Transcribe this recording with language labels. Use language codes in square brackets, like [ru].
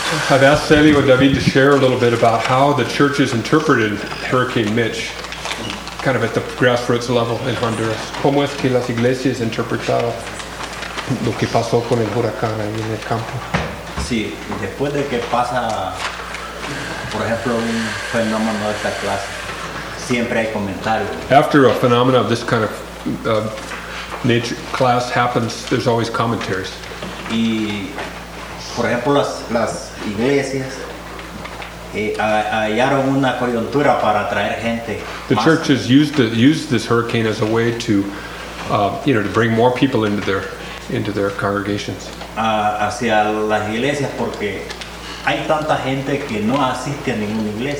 [en] I've asked Celio and David to share a little bit about how the churches interpreted Hurricane Mitch, kind of at the grassroots level in Honduras. [es] ¿Cómo es que las iglesias interpretaron lo que pasó con el huracán ahí en el campo? Sí, después de que pasa, por ejemplo, un fenómeno de esta clase, siempre hay comentarios. [en] After a phenomenon of this kind of nature class happens, there's always commentaries. [es] Y, por ejemplo, las iglesias hallaron una coyuntura para traer gente. [en] The churches used this hurricane as a way to, to bring more people into their congregations. [es] Hacia las iglesias porque hay tanta gente que no asiste a ninguna iglesia.